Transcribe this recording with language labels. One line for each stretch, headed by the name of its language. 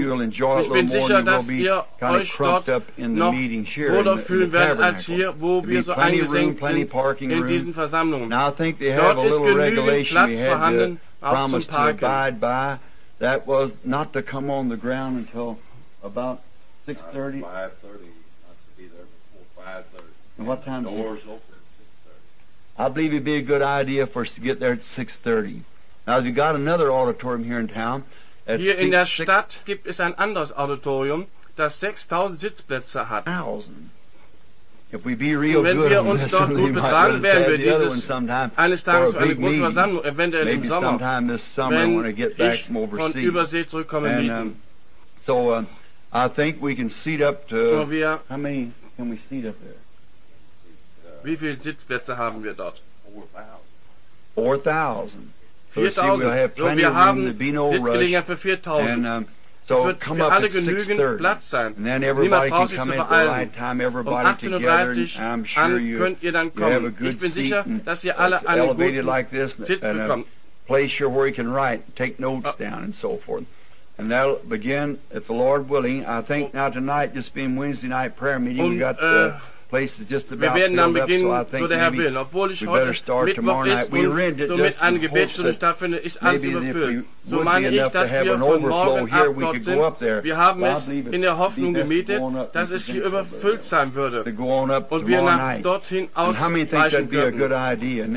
German: Ich bin sicher, dass ihr euch dort noch wohler fühlen werdet als hier, wo wir so eingesenkt sind in diesen Versammlungen. Dort ist genügend Platz vorhanden, auch zum Parken.
English: That was not to come on the ground until about 6:30. 5:30. Not to be there before 5:30. What time the doors open? I believe it'd be a good idea for us to get there at 6:30. Now, we've got another auditorium here in town.
German: Hier in der Stadt gibt es ein anderes Auditorium, das 6,000 Sitzplätze hat.
English: If we be real
German: wenn
English: good
German: wir uns dort gut betragen, werden wir dieses
English: sometime,
German: eines Tages für eine große Versammlung, eventuell
English: maybe
German: im Sommer,
English: this summer,
German: wenn
English: when I get back
German: ich
English: from overseas.
German: Von Übersee zurückkommen
English: and,
German: mieten.
English: So, I think we can seat up to...
German: So wir,
English: how many can we seat up there?
German: Wie viele Sitzplätze haben wir dort?
English: 4,000.
German: 4,000. So, wir haben Sitzgelegenheit für 4,000. So es wird für alle genügend Platz sein. Niemand braucht sich zu beeilen. Um 18.30 Uhr an könnt ihr dann kommen. Ich bin sicher, dass ihr alle einen guten Sitz bekommt.
English: Place here where you can write, take notes down and so forth. And that'll begin, if the Lord willing, I think now tonight, just being Wednesday night prayer meeting,
German: und,
English: we got the...
German: Wir werden dann beginnen, so der Herr will. Obwohl ich heute Mittwoch ist und somit eine Gebetsstunde stattfinde, ist alles überfüllt. So meine ich, dass wir von morgen ab dort sind. Wir haben es in der Hoffnung gemietet, dass es hier überfüllt sein würde und wir nach dorthin ausreichen könnten.